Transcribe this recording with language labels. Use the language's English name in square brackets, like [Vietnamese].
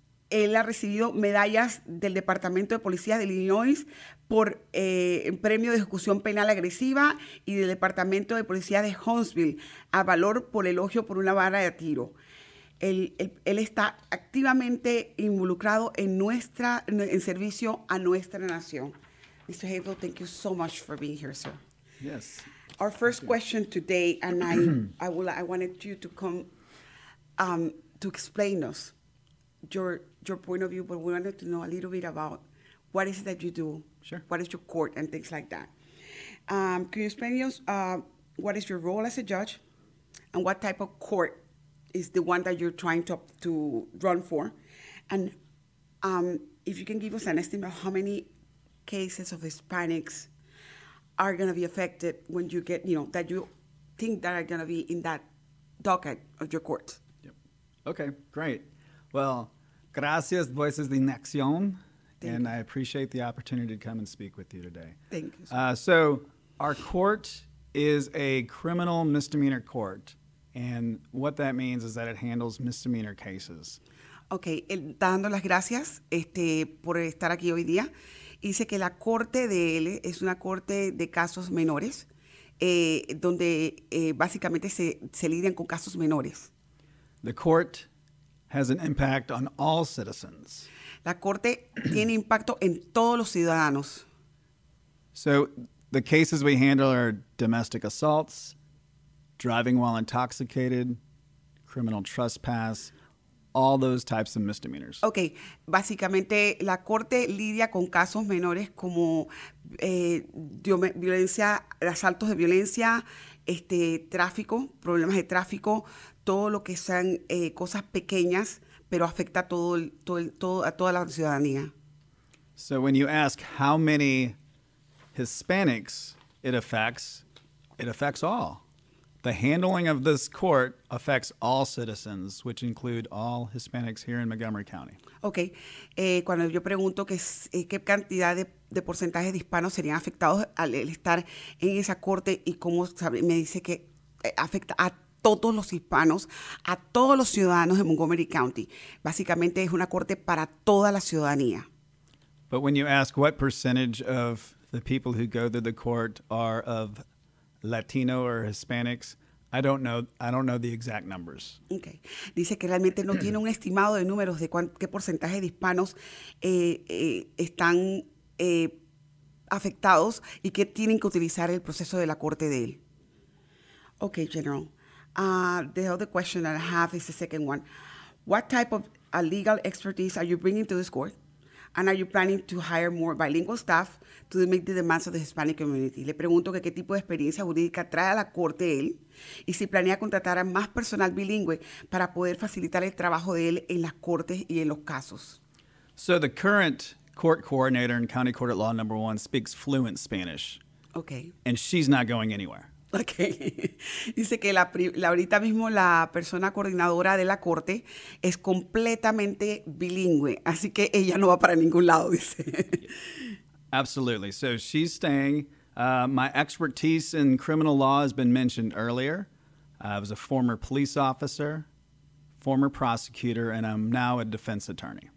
[Spanish] Él ha recibido medallas del Departamento de Policía de Illinois por premio de ejecución penal agresiva y del Departamento de Policía de Huntsville a valor por elogio por una vara de tiro. Él está activamente involucrado en servicio a nuestra nación. [English] Mr. Hafley, thank you so much for being here, sir. Yes. Our first question today, and I wanted you to come to explain us your point of view, but we wanted to know a little bit about what is it that you do? Sure. What is your court and things like that? Can you explain us what is your role as a judge and what type of court is the one that you're trying to run for? And if you can give us an estimate of how many cases of Hispanics are going to be affected when you get, you know, that you think that are going to be in that docket of your court. Yep. Okay, great. Well, gracias, Voices de Accion. And you. I appreciate the opportunity to come and speak with you today. Thank you. So our court is a criminal misdemeanor court. And what that means is that it handles misdemeanor cases. [Spanish] Okay, dando las gracias por estar aquí hoy día. Dice que la corte de él es una corte de casos menores, donde básicamente se lidian con casos menores. [English] The court has an impact on all citizens. [Spanish] La corte tiene impacto en todos los ciudadanos. [English] So the cases we handle are domestic assaults, driving while intoxicated, criminal trespass, all those types of misdemeanors. [Spanish] Okay, básicamente la corte lidia con casos menores como violencia, asaltos de violencia, tráfico, problemas de tráfico, todo lo que sean cosas pequeñas, pero afecta todo a toda la ciudadanía. [English] So when you ask how many Hispanics it affects all. The handling of this court affects all citizens, which include all Hispanics here in Montgomery County. Okay. [Spanish] Cuando yo pregunto qué cantidad de porcentaje de hispanos serían afectados al estar en esa corte, y cómo me dice que afecta a todos los hispanos, a todos los ciudadanos de Montgomery County. Básicamente es una corte para toda la ciudadanía. [English] But when you ask what percentage of the people who go to the court are of Latino or Hispanics, I don't know the exact numbers. Okay. [Spanish] Dice que realmente no tiene un estimado de números de qué porcentaje de hispanos están afectados y que tienen que utilizar el proceso de la corte de él. [English] Okay, General. The other question that I have is the second one. What type of legal expertise are you bringing to this court? And are you planning to hire more bilingual staff to meet the demands of the Hispanic community? [Spanish] Le pregunto que qué tipo de experiencia jurídica trae a la corte él y si planea contratar a más personal bilingüe para poder facilitar el trabajo de él en las cortes y en los casos. [English] So the current court coordinator in County Court at Law Number 1 speaks fluent Spanish. Okay. And she's not going anywhere. Okay. [Spanish] Dice que ahorita mismo la persona coordinadora de la corte es completamente bilingüe, así que ella no va para ningún lado, dice. [English] Absolutely. So she's staying. My expertise in criminal law has been mentioned earlier. I was a former police officer, former prosecutor, and I'm now a defense attorney.